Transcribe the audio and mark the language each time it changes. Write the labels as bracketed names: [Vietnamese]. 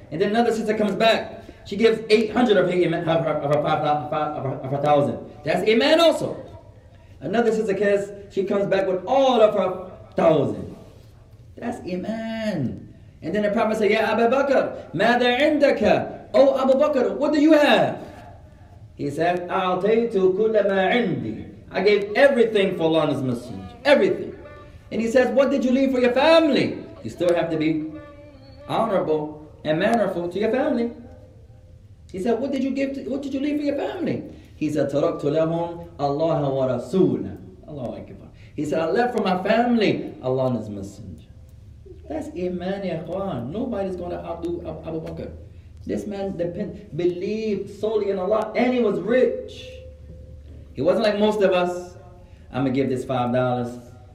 [English] And then another sister comes back. She gives 800 of her 5,000. That's iman also. Another sister says she comes back with all of her 1,000. That's iman. And then the Prophet said, ya Abu Bakr, [Arabic] ماذا عندك? [English] Oh Abu Bakr, what do you have? He said, [Arabic] أعطيتُ كل ما عندي. [English] I gave everything for Allah's messenger. Everything. And he says, what did you leave for your family? You still have to be honorable and mannerful to your family. He said, what did you give to, what did you leave for your family? He said, [Arabic] تركت لهم الله ورسوله. Allahu Akbar. [English] He said, I left for my family Allah's messenger. That's iman, ya ikhwan. Nobody's going to outdo Abu Bakr. This man believed solely in Allah, and he was rich. He wasn't like most of us. I'm going to give this $5.